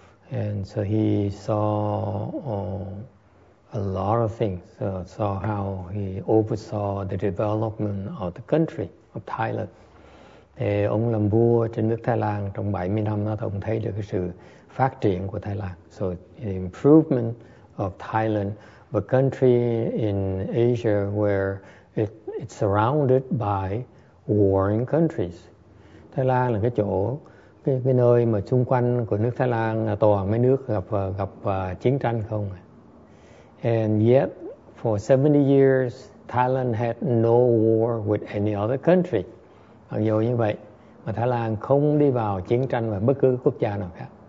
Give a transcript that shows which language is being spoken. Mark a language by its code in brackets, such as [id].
[en] And so he saw a lot of things, saw how he oversaw the development of the country, of Thailand. [vi] Thì ông làm vua trên nước Thái Lan trong 70 năm đó, ông thấy được cái sự phát triển của Thái Lan. [en] So the improvement of Thailand, the country in Asia where it's surrounded by warring countries. [vi] Thái Lan là cái chỗ, cái nơi mà xung quanh của nước Thái Lan là toàn mấy nước gặp chiến tranh không. [en] And yet, for 70 years, Thailand had no war with any other country. [vi] Mặc dù như vậy, mà Thái Lan không đi vào chiến tranh với bất cứ quốc gia nào khác.